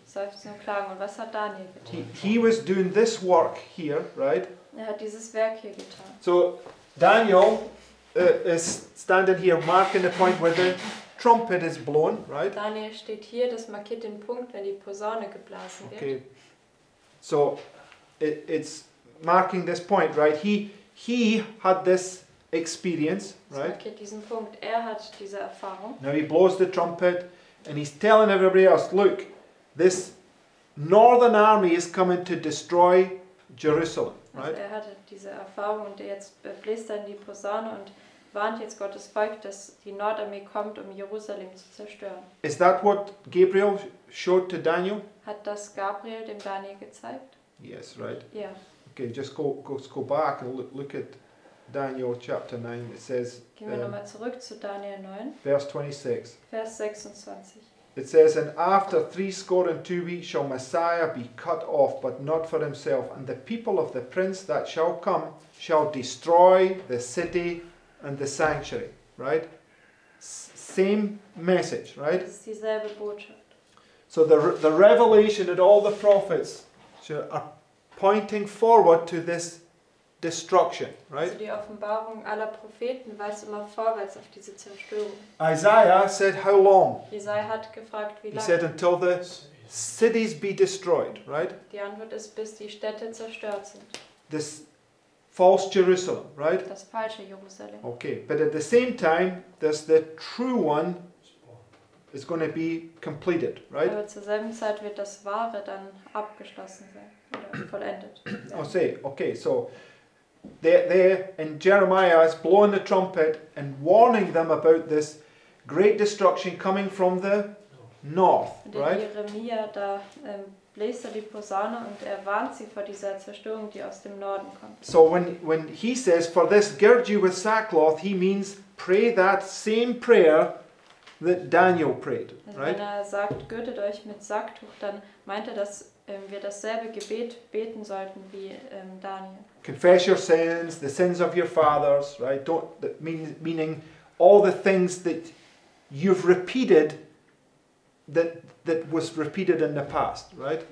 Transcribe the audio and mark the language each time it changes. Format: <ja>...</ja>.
<de>Seufzen und Klagen. Und was hat Daniel getan?</de> <en>He was doing this work here, right?</en> <de>Er hat dieses Werk hier getan.</de> <en>So Daniel is standing here marking the point where the trumpet is blown, right?</en> <de>Daniel steht hier, das markiert den Punkt, wenn die Posaune geblasen wird.</de> <en>Okay. So it's marking this point, right? He had this experience, right?</en> <de>Markiert diesen Punkt. Er hat diese Erfahrung.</de> <en>Now he blows the trumpet and he's telling everybody else, look, this northern army is coming to destroy Jerusalem, right?</en> <de>Also er hatte diese Erfahrung und jetzt bläst dann die Posaune und warnt jetzt Gottes Volk, dass die Nordarmee kommt, um Jerusalem zu zerstören.</de> <en>Is that what Gabriel showed to Daniel?</en> <de>Hat das Gabriel dem Daniel gezeigt?</de> <en>Yes, right. Yeah. Okay, just go back and look at Daniel chapter 9. It says,</en> <de>gehen wir nochmal zurück zu Daniel 9. Vers 26. Vers 26.</de> <en>It says, and after 62 weeks shall Messiah be cut off, but not for himself. And the people of the prince that shall come shall destroy the city and the sanctuary, right? Same message, right?</en> <de>Das ist dieselbe Botschaft.</de> <en>So the revelation and all the prophets are pointing forward to this destruction, right?</en> <de>Also die Offenbarung aller Propheten weist immer vorwärts auf diese Zerstörung.</de> <en>Isaiah said, how long?</en> <de>Isaiah hat gefragt, wie lange?</de> <en>He said, until the cities be destroyed, right?</en> <de>Die Antwort ist, bis die Städte zerstört sind.</de> <en>This false Jerusalem, right?</en> <de>Das falsche Jerusalem.</de> <en>Okay, but at the same time, there's the true one is going to be completed, right?</en> <de>Aber zur selben Zeit wird das Wahre dann abgeschlossen sein, oder vollendet.</de> <en>Okay, so there in Jeremiah is blowing the trumpet and warning them about this great destruction coming from the north, right?</en> <de>Jeremia, da bläst er die Posaune und er warnt sie vor dieser Zerstörung, die aus dem Norden kommt.</de> <en>So when he says, for this gird you with sackcloth, he means pray that same prayer that Daniel prayed, right?</en> <de>Also wenn er sagt, gürtet euch mit Sacktuch, dann meint er, dass wir dasselbe Gebet beten sollten wie Daniel.</de> <en>Confess your sins, the sins of your fathers, right? Meaning all the things that you've repeated that was repeated in the past, right?</en>